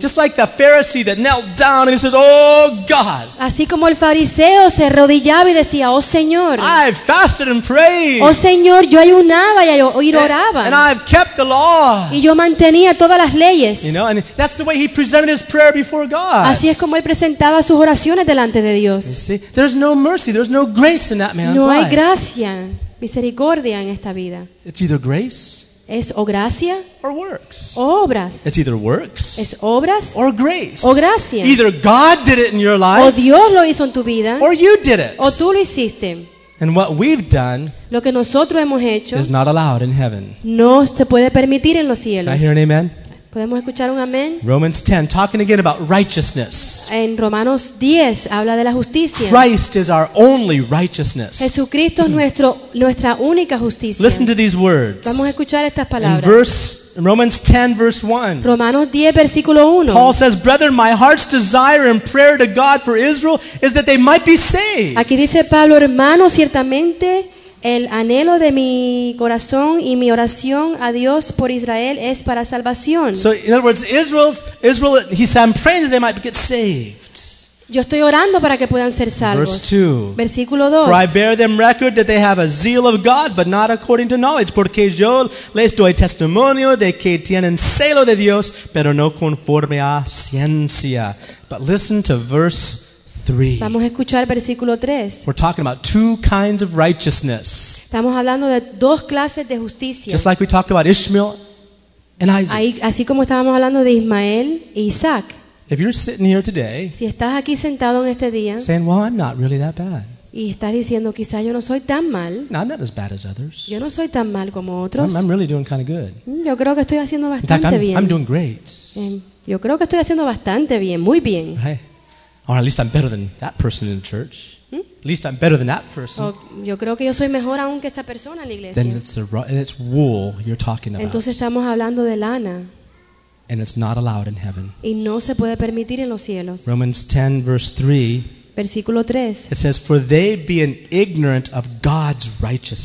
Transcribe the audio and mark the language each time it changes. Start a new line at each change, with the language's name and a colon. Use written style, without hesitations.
English: Just like the Pharisee that knelt down and he says, "Oh God."
Spanish: Así como el fariseo se arrodillaba y decía, "Oh Señor."
English: I fasted and prayed.
Spanish: Oh Señor, yo ayunaba.
English: And I've kept the law.
Spanish: Y yo mantenía todas las leyes.
English: You know, and that's the way he presented his prayer before God.
Spanish: Así es como él presentaba sus oraciones delante de Dios.
English: You see, there's no mercy, there's no grace in that man's life.
Spanish: No hay gracia, misericordia en esta vida.
English: It's either grace.
Spanish: Es o gracia.
English: Or works.
Spanish: O obras.
English: It's either works.
Spanish: Es obras.
English: Or grace.
Spanish: O gracia.
English: Either God did it in your life.
Spanish: O Dios lo hizo en tu vida.
English: Or you did it.
Spanish: O tú lo hiciste.
English: And what we've done,
Spanish: lo que nosotros hemos hecho,
English: is not allowed in heaven.
Spanish: No se puede permitir en los cielos.
English: Can I hear an amen?
Spanish: ¿Podemos escuchar un amén?
English: Romans 10, talking again about righteousness.
Spanish: En Romanos 10 habla de la justicia.
English: Christ is our only righteousness.
Spanish: Jesucristo es nuestra única justicia.
English: Listen to these words.
Spanish: Vamos a escuchar estas palabras.
English: Romans 10, verse 1.
Spanish: Romanos 10, versículo 1.
English: Paul says, "Brethren, my heart's desire and prayer to God for Israel is that they might be saved."
Spanish: Aquí dice Pablo, hermano, ciertamente el anhelo de mi corazón y mi oración a Dios por Israel es para salvación.
English: So, in other words, Israel, he said, "I'm praying that they might get saved."
Spanish: Yo estoy orando para que puedan ser salvos.
English: Verse 2.
Spanish: Versículo 2.
English: "For I bear them record that they have a zeal of God, but not according to knowledge,
Spanish: porque yo les doy testimonio de que tienen celo de Dios, pero no conforme a ciencia."
English: But listen to verse 3.
Spanish: Vamos a escuchar versículo 3.
English: We're talking about two kinds of righteousness.
Spanish: Estamos hablando de dos clases de justicia.
English: Just like we talked about Ishmael and Isaac.
Spanish: Así como estábamos hablando de Ismael e Isaac.
English: If you're sitting here today,
Spanish: si estás aquí sentado en este día,
English: saying, "Well, I'm not really that bad."
Spanish: Y estás diciendo, quizás yo no soy tan mal.
English: No, I'm not as bad as others.
Spanish: Yo no soy tan mal como otros.
English: I'm really doing kind of good.
Spanish: Yo creo que estoy haciendo bastante
English: In fact,
Spanish: bien.
English: I'm doing great.
Spanish: Yo creo que estoy haciendo bastante bien, muy bien.
English: Right. Or at least I'm better than that person in the church. At least I'm better than that person.
Spanish: Yo creo que yo soy mejor aún que esta persona en la iglesia.
English: Then it's wool you're talking about.
Spanish: Entonces estamos hablando de lana.
English: And it's not allowed in heaven.
Spanish: Y no se puede permitir en los cielos.
English: Romans 10 verse 3.
Spanish: Versículo 3.
English: It says, "For they being ignorant of God's righteousness."